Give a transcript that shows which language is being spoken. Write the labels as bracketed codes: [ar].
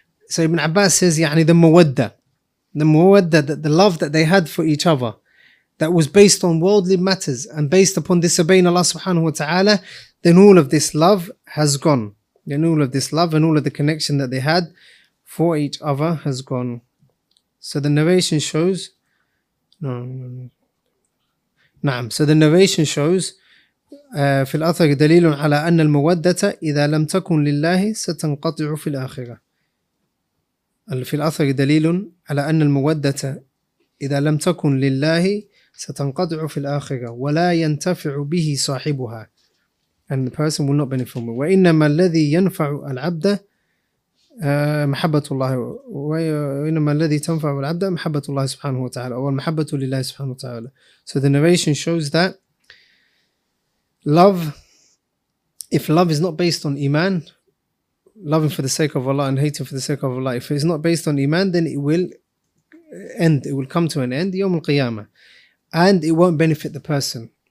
[en] So Ibn Abbas says, يعني the mawadda, the love that they had for each other, that was based on worldly matters and based upon disobeying Allah subhanahu wa ta'ala, then all of this love has gone. Then all of this love and all of the connection that they had for each other has gone. So the narration shows, [ar] so the narration shows, في الأثر دليل على أن المودة إذا لم تكن لله ستنقطع في الآخرة. في الأثر دليل على أن المودة إذا لم تكن لله ستنقطع في الآخرة ولا ينتفع به صاحبها. [en] And the person will not benefit from it. [ar] وَإِنَّمَا الَّذِي يَنْفَعُ الْعَبْدَ مَحَبَّةُ اللَّهِ وَإِنَّمَا الَّذِي تَنْفَعُ الْعَبْدَ مَحَبَّةُ اللَّهِ سُبْحَانَهُ وَتَعَالَى أو الْمَحَبَّةُ لِلَّهِ سُبْحَانَهُ وَتَعَالَى. [en] So the narration shows that love, if love is not based on iman, loving for the sake of Allah and hating for the sake of Allah, if it's not based on iman, then it will end, it will come to an end, [ar] يَوْمُ الْقِيَامَةِ, [en] and it won't benefit the person.